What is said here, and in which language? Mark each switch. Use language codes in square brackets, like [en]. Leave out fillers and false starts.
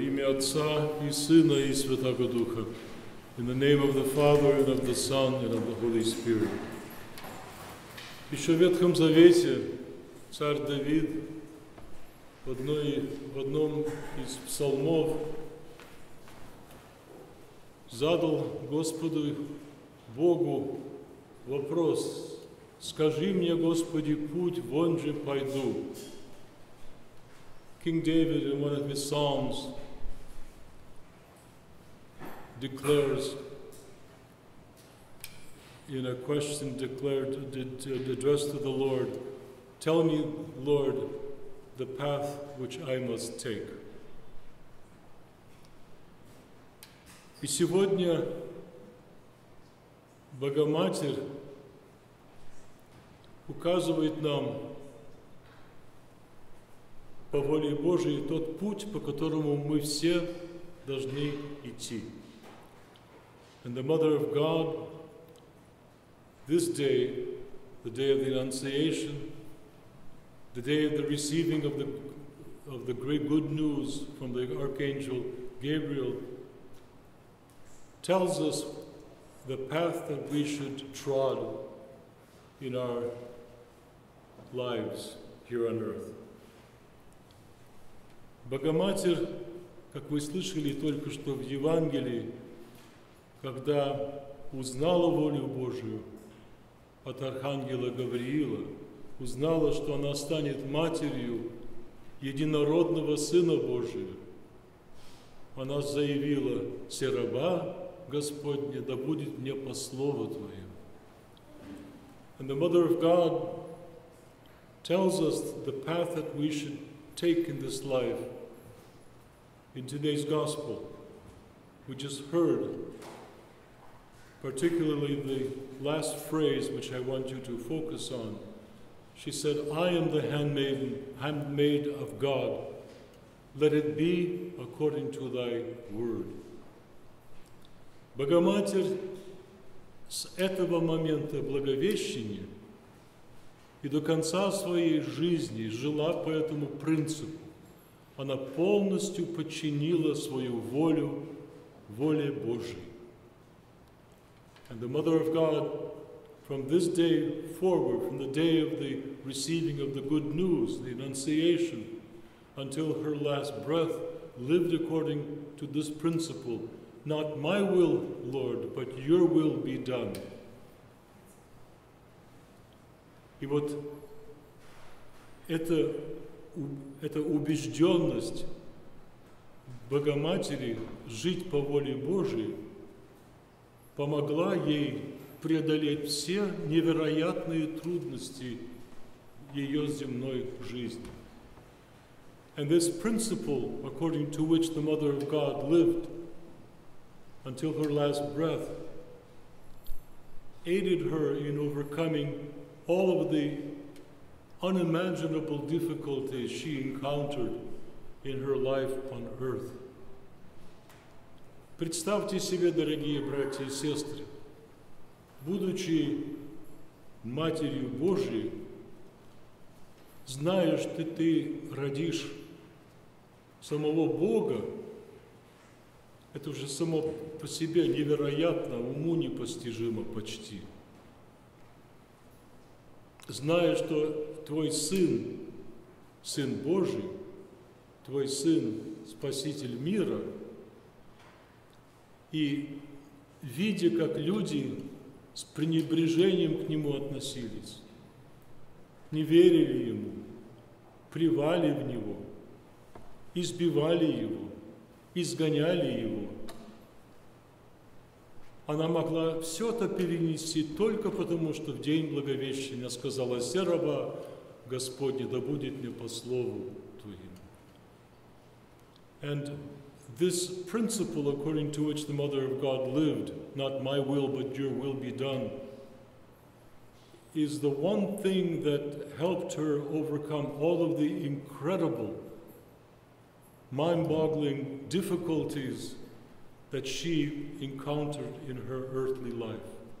[ru] Отца и Сына и Святого Духа. [en] In the name of the Father, and of the Son, and of the Holy Spirit. [ru] Еще в Ветхом Завете царь Давид в одном из псалмов задал Господу Богу вопрос: «Скажи мне, Господи, путь, вон же пойду». [en] King David in one of his psalms declares, in a question addressed to the Lord, "Tell me, Lord, the path which I must take." [ru] И сегодня Богоматерь указывает нам по воле Божией тот путь, по которому мы все должны идти. [en] And the Mother of God, this day, the day of the Annunciation, the day of the receiving of the great good news from the Archangel Gabriel, tells us the path that we should trod in our lives here on earth. [ru] Богоматерь, как вы слышали только что в Евангелии, когда узнала волю Божию от Архангела Гавриила, узнала, что она станет матерью единородного Сына Божия, она заявила: «Се раба Господня, да будет мне по слову Твоему». [en] And the Mother of God tells us the path that we should take in this life, in today's Gospel, we just heard, particularly the last phrase which I want you to focus on. She said, "I am the handmaid of God. Let it be according to thy word." [ru] Богоматерь с этого момента Благовещения и до конца своей жизни жила по этому принципу. Она полностью подчинила свою волю воле Божией. [en] And the Mother of God, from this day forward, from the day of the receiving of the good news, the Annunciation, until her last breath, lived according to this principle: "Not my will, Lord, but your will be done." [ru] И вот эта убежденность Богоматери жить по воле Божией помогла ей преодолеть все невероятные трудности ее земной жизни. [en] And this principle, according to which the Mother of God lived until her last breath, aided her in overcoming all of the unimaginable difficulties she encountered in her life on earth. [ru] Представьте себе, дорогие братья и сестры, будучи Матерью Божией, зная, что ты родишь самого Бога, это уже само по себе невероятно, уму непостижимо почти. Зная, что твой Сын, Сын Божий, твой Сын, Спаситель мира, и видя, как люди с пренебрежением к Нему относились, не верили Ему, плевали в Него, избивали Его, изгоняли Его, она могла все это перенести только потому, что в день Благовещения сказала: «Се раба Господня, да будет мне по слову Твоему». [en] And this principle, according to which the Mother of God lived, "Not my will, but your will be done," is the one thing that helped her overcome all of the incredible, mind-boggling difficulties that she encountered in her earthly life.